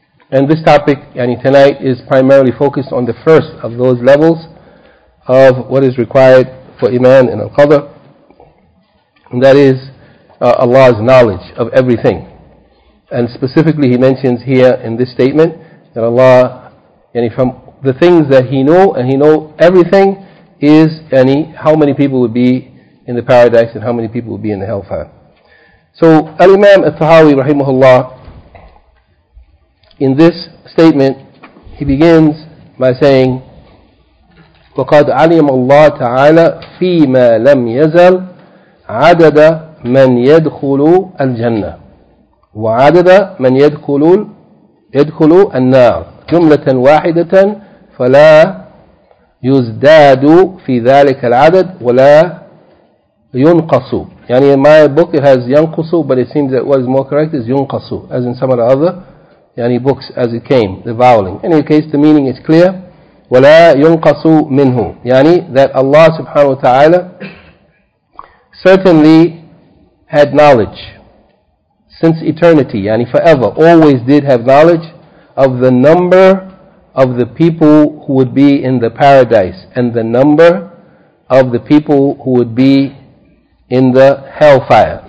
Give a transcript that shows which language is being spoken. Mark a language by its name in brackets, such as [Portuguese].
[English] And this topic, yani tonight, is primarily focused on the first of those levels of what is required for iman in al-qadr, and that is Allah's knowledge of everything. And specifically he mentions here in this statement that Allah, yani from the things that he knew, and he knows everything, is any how many people would be in the paradise and how many people would be in the hellfire. So Al-Imam Al-Tahawi rahimahullah, in this statement, he begins by saying, [Arabic] وَقَدْ عَلِمَ اللَّهُ تَعَالَى فِي مَا لَمْ يَزَلْ عَدَدَ مَنْ يَدْخُلُ الْجَنَّةِ وَعَدَدَ مَنْ يَدْخُلُ النَّارِ جُمْلَةً وَاحِدَةً فَلَا يُزْدَادُ فِي ذَلِكَ الْعَدَدْ وَلَا يُنْقَصُ. [English] Yani in my book it has يَنْقُصُ, but it seems that what is more correct is يُنْقَصُ, as in some of the other yani books as it came, the voweling. In any case, the meaning is clear. [Arabic] وَلَا يُنْقَصُ مِنْهُ, [English] yani that Allah subhanahu wa ta'ala certainly had knowledge since eternity, yani forever, always did have knowledge of the number of the people who would be in the paradise and the number of the people who would be in the hellfire.